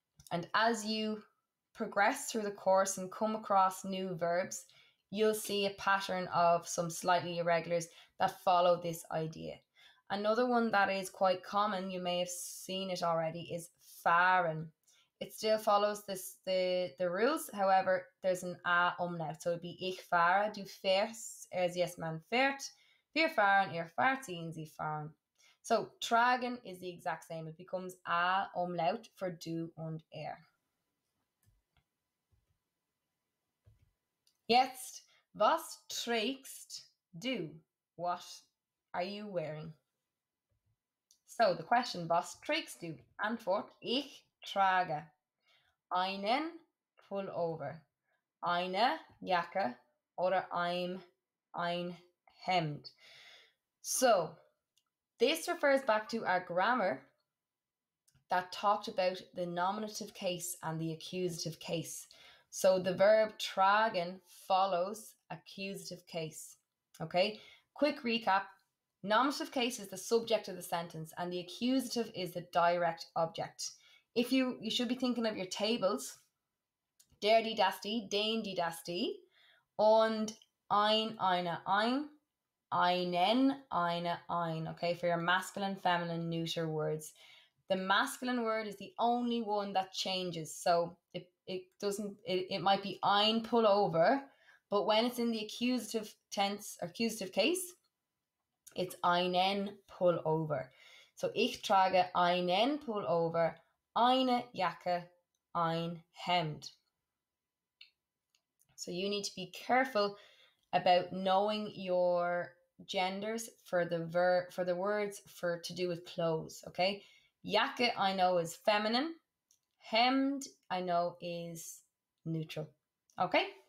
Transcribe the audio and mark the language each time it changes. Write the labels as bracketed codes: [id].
[en] And as you progress through the course and come across new verbs, you'll see a pattern of some slightly irregulars that follow this idea. Another one that is quite common, you may have seen it already, is fahren. It still follows the rules. However, there's an A umlaut. [de] So it'd be ich fahre, du fährst, er ist jetzt man fährt, wir fahren, ihr fahrt, sie in sie fahren. [en] So tragen is the exact same. It becomes A umlaut for du und er. [de] Jetzt, was trägst du? [en] What are you wearing? So the question, [de] was trägst du? Antwort, ich trage einen Pullover, eine Jacke oder ein Hemd. [en] So this refers back to our grammar that talked about the nominative case and the accusative case. So the verb tragen follows accusative case. Okay, quick recap. Nominative case is the subject of the sentence and the accusative is the direct object. If you should be thinking of your tables, der, die, das, die, das, die, und ein, eine, ein, einen, eine, ein, okay, for your masculine, feminine, neuter words. The masculine word is the only one that changes, so it might be ein pullover, but when it's in the accusative tense, accusative case, it's einen pullover. [de] So ich trage einen pullover, eine Jacke, ein Hemd. [en] So you need to be careful about knowing your genders for the words for to do with clothes, okay? Jacke, I know, is feminine. Hemd, I know, is neutral, okay?